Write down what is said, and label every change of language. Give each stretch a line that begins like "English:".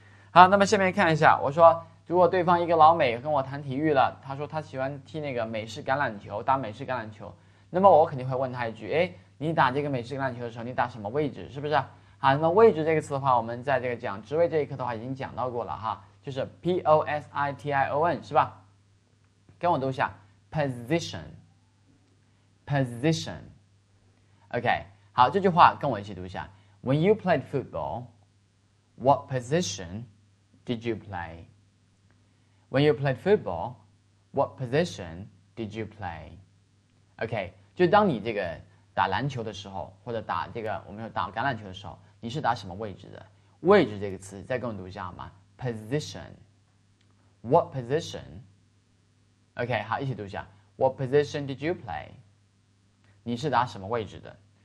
Chinese: 好，那么下面看一下，我说如果对方一个老美跟我谈体育了，他说他喜欢踢那个美式橄榄球，打美式橄榄球，那么我肯定会问他一句，哎，你打这个美式橄榄球的时候，你打什么位置，是不是？好，那么位置这个词的话，我们在这个讲职位这一课的话已经讲到过了哈，就是 position 是吧？跟我读一下 position。 OK，好，这句话跟我一起读一下。
English: When you played football, what position did you play? When you played football, what position did you play?
Chinese: OK，就当你这个打篮球的时候，或者打这个我们说打橄榄球的时候，你是打什么位置的？位置这个词，再跟我读一下好吗？
English: Position, what position? OK，
Chinese: 好，一起读一下。
English: What position did you play?
Chinese: 你是打什么位置的？